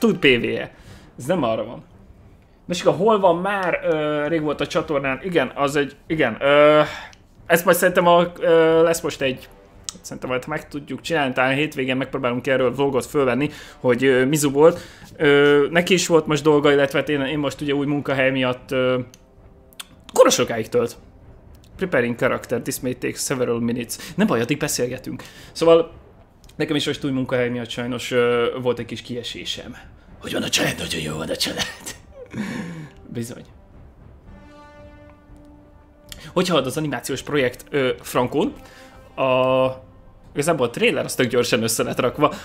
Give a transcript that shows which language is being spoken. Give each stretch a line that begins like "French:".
Hungarian: Ez tud PvE. Ez nem arra van. Mesika, hol van már? Rég volt a csatornán. Igen, az egy... Igen. Ezt majd szerintem lesz most egy... Szerintem majd, ha meg tudjuk csinálni, talán hétvégén megpróbálunk erről vlogot fölvenni, hogy Mizu volt. Neki is volt most dolga, illetve én most ugye új munkahely miatt... Kora sokáig tölt.
English: Preparing character, this may take several minutes.
Hungarian: Ne baj, addig beszélgetünk. Szóval nekem is most új munkahely miatt sajnos volt egy kis kiesésem. Hogy van a család? Nagyon jó van a család. Bizony. Hogy halad az animációs projekt frankon? Igazából a trailer az tök gyorsan össze lett rakva.